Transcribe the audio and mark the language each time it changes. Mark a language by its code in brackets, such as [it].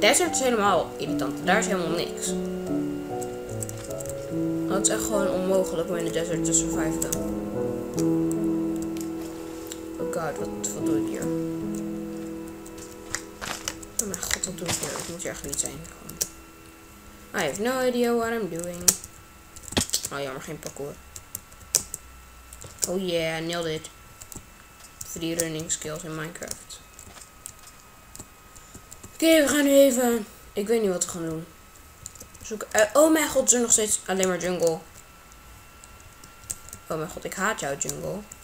[nl] Desert is helemaal irritant. Daar is helemaal niks. Dat is echt gewoon onmogelijk om in de desert te surviven. Oh god, wat doe ik hier? Oh mijn god, wat doe ik hier? Ik moet hier echt niet zijn. Gewoon. [en] I have no idea what I'm doing. [nl] Oh jammer, geen parkour. [en] Oh yeah, nailed it. 3 running skills in Minecraft. [nl] Oké, we gaan nu even. Ik weet niet wat we gaan doen. Zoek. Oh mijn god, er is nog steeds alleen maar jungle. Oh mijn god, ik haat jou, jungle.